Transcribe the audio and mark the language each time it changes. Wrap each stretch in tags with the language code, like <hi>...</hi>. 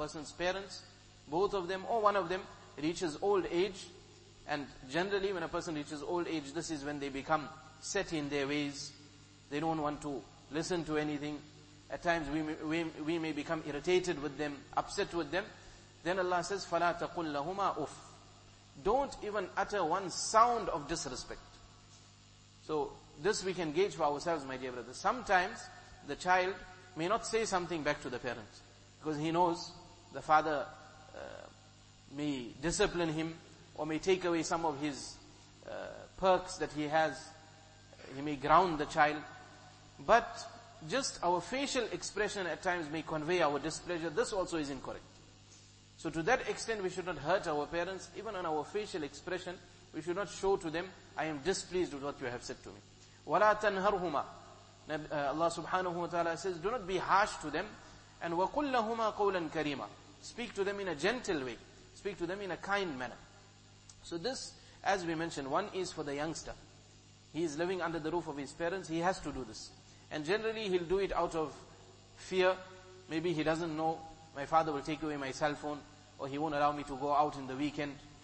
<en>A person's parents, both of them or one of them, reaches old age. And generally when a person reaches old age, this is when they become set in their ways. They don't want to listen to anything. At times we may become irritated with them, upset with them.</en> <ar>Then Allah says, فَلَا تَقُلْ لَهُمَا أُفْ.</ar> <en>Don't even utter one sound of disrespect. So this we can gauge for ourselves, my dear brother. Sometimes the child may not say something back to the parents because he knows the father may discipline him or may take away some of his perks that he has. He may ground the child. But just our facial expression at times may convey our displeasure. This also is incorrect. So to that extent, we should not hurt our parents. Even on our facial expression, we should not show to them, I am displeased with what you have said to me.</en> <ar>وَلَا تَنْهَرْهُمَا.</ar> <en>Allah subhanahu wa ta'ala says, do not be harsh to them.</en> <ar>And وَقُلْ لَهُمَا قَوْلًا كَرِيمًا.</ar> <en>Speak to them in a gentle way. Speak to them in a kind manner. So this, as we mentioned, one is for the youngster. He is living under the roof of his parents. He has to do this. And generally, he'll do it out of fear. Maybe he doesn't know, my father will take away my cell phone, or he won't allow me to go out in the weekend.</en>